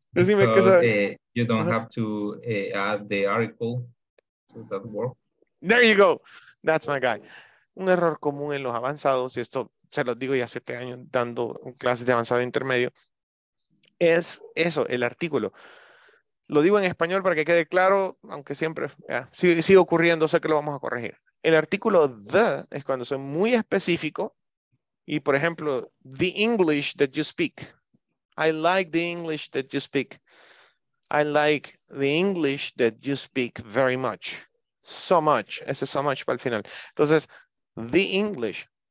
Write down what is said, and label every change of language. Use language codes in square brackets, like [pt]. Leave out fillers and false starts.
[en] Because, you don't have to add the article to that word. There you go. That's my guy. [es] Un error común en los avanzados, y esto se los digo ya 7 años dando clases de avanzado intermedio, es eso, el artículo. Lo digo en español para que quede claro, aunque siempre sigue ocurriendo, sé que lo vamos a corregir. El artículo the es cuando soy muy específico. Y por ejemplo, [en] the English that you speak. I like the English that you speak. I like the English that you speak very much. So much. [es] Ese [en] so much [es] para el final. Entonces, [en] the English.